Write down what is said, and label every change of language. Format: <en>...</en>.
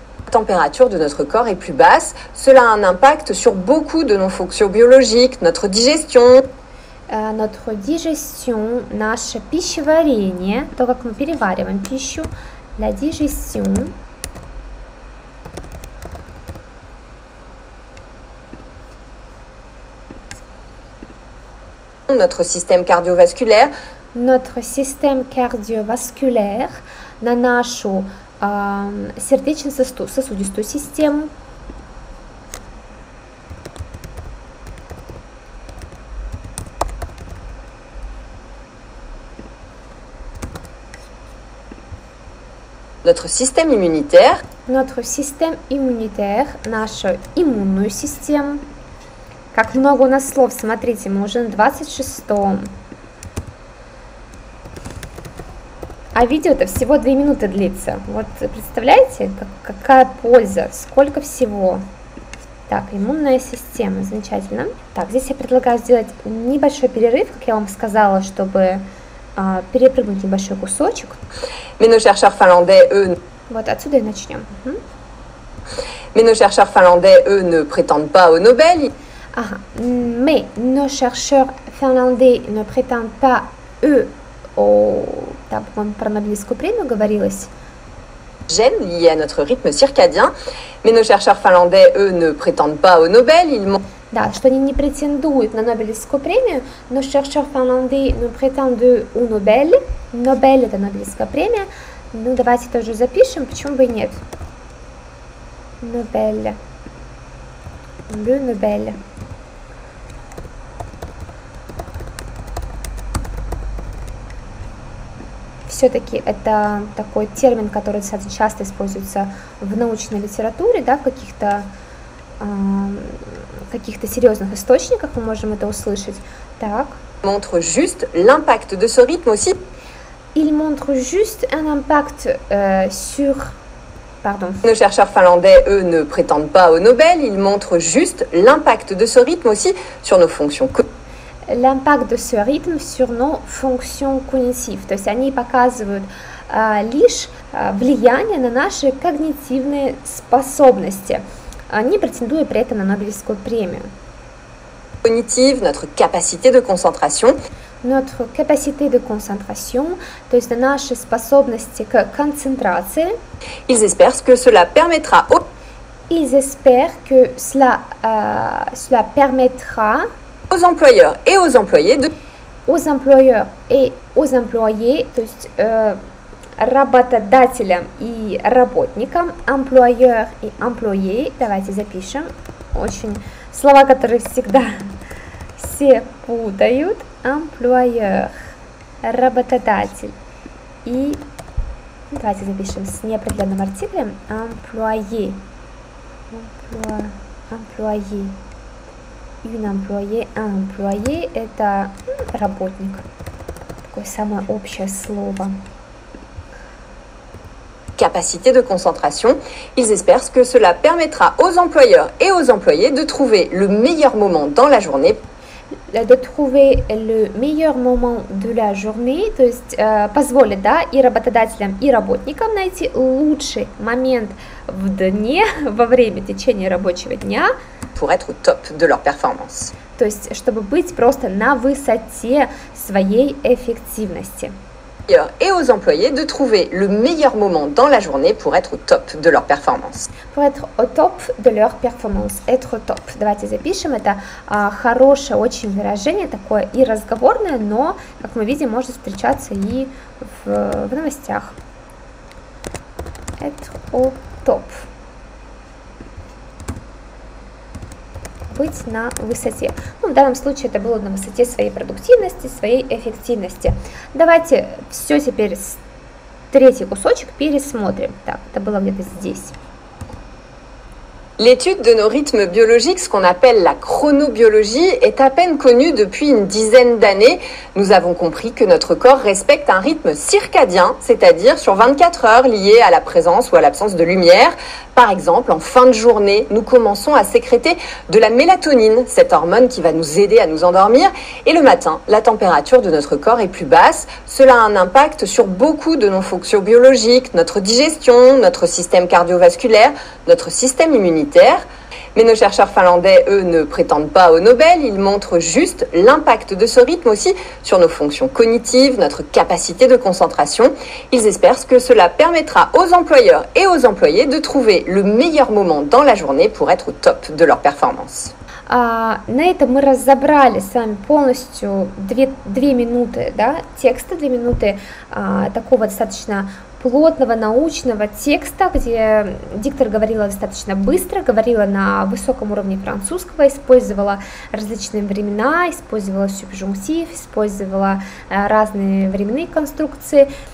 <fr>Температура de notre corps est plus basse. Cela a un impact sur beaucoup de nos fonctions biologiques, notre digestion. Notre digestion,</fr> <ru>наше пищеварение, то, как мы перевариваем пищу,</ru> <fr>la digestion. Notre système cardiovasculaire. Notre système cardiovasculaire,</fr> <ru>на нашу сердечно-сосудистую систему.</ru> <fr>Notre système immunitaire. Notre système immunitaire,</fr> <ru>нашу иммунную систему. Как много у нас слов, смотрите, мы уже на 26-м. А видео-то всего 2 минуты длится. Вот представляете, какая польза, сколько всего. Так, иммунная система, замечательно. Так, здесь я предлагаю сделать небольшой перерыв, как я вам сказала, чтобы перепрыгнуть небольшой кусочек.</ru> <fr>Mais nos chercheurs finlandais, eux...</fr> <ru>Вот отсюда и начнем.</ru> <fr>Mais nos chercheurs finlandais, eux, ne prétendent pas au Nobel. Ah, mais nos chercheurs finlandais ne prétendent pas, eux, au...</fr> <ru>Там, по-моему, про Нобелевскую премию говорилось.</ru> <fr>Gène lié à notre rythme circadien, mais nos chercheurs finlandais, eux, ne prétendent pas au Nobel. Ils m'ont...</fr> <ru>Да, что они не претендуют на Нобелевскую премию, но</ru> <fr>chercheurs finlandais ne prétendent au Nobel.</fr> <ru>Nobel – это Нобелевская премия. Ну, давайте тоже запишем, почему бы и нет.</ru> <fr>Nobel. Le Nobel.</fr> <ru>Все-таки это такой термин, который достаточно часто используется в научной литературе, да, в каких-то, каких-то серьезных источниках мы можем это услышать. Так.</ru> <fr>Montre juste l'impact de ce rythme aussi. Il montre juste un impact sur... Pardon. Nos chercheurs finlandais, eux, ne prétendent pas au Nobel. Ils montrent juste l'impact de ce rythme aussi sur nos fonctions cognitives. L'impact de ce rythme sur nos fonctions cognitives.</fr> <ru>То есть они показывают лишь влияние на наши когнитивные способности. Они претендуют при этом на Нобелевскую премию.</ru> <fr>Cognitive, notre capacité de concentration. Notre capacité de concentration,</fr> <ru>то есть наши способности к концентрации.</ru> <fr>Ils espèrent que cela permettra au... Ils espèrent que cela, cela permettra... Aux employeurs et aux employés de... Aux employeurs et aux employés,</fr> <ru>то есть работодателям и работникам, employeurs и employés, давайте запишем, очень слова, которые всегда все путают, employeur, работодатель и, давайте запишем с неопределенным артиклем, employé, employé.</ru> <fr>Une employée, un employé,</fr> <ru>это работник. Такое самое общее слово.</ru> <fr>Capacité de concentration. Ils espèrent que cela permettra aux employeurs et aux employés de trouver le meilleur moment dans la journée. De trouver le meilleur moment de la journée,</fr> <ru>то есть позволит, да, и работодателям, и работникам найти лучший момент в дне, во время, в течение рабочего дня.</ru> <fr>Pour être au top de leur performance.</fr> <ru>То есть, чтобы быть просто на высоте своей эффективности.</ru> <fr>Et aux employés de trouver le meilleur moment dans la journée pour être au top de leur performance. Pour être au top de leur performance. Être au top.</fr> <ru>Давайте запишем. Это хорошее очень выражение, такое и разговорное, но, как мы видим, может встречаться и в новостях.</ru> <fr>Être au top.</fr> <ru>Быть на высоте. Ну, в данном случае это было на высоте своей продуктивности, своей эффективности. Давайте все теперь с... третий кусочек пересмотрим. Так, это было где-то здесь.</ru> <fr>L'étude de nos rythmes biologiques, ce qu'on appelle la chronobiologie, est à peine connue depuis une dizaine d'années. Nous avons compris que notre corps respecte un rythme circadien, c'est-à-dire sur 24 heures lié à la présence ou à l'absence de lumière. Par exemple, en fin de journée, nous commençons à sécréter de la mélatonine, cette hormone qui va nous aider à nous endormir. Et le matin, la température de notre corps est plus basse. Cela a un impact sur beaucoup de nos fonctions biologiques, notre digestion, notre système cardiovasculaire, notre système immunitaire. Mais nos chercheurs finlandais, eux, ne prétendent pas au Nobel. Ils montrent juste l'impact de ce rythme aussi sur nos fonctions cognitives, notre capacité de concentration. Ils espèrent que cela permettra aux employeurs et aux employés de trouver le meilleur moment dans la journée pour être au top de leur performance.</fr> <ru>На этом мы разобрали с вами полностью две минуты, да, текста, две минуты такого достаточно плотного научного текста, где диктор говорила достаточно быстро, говорила на высоком уровне французского, использовала различные времена, использовала субжунктив, использовала разные временные конструкции.</ru>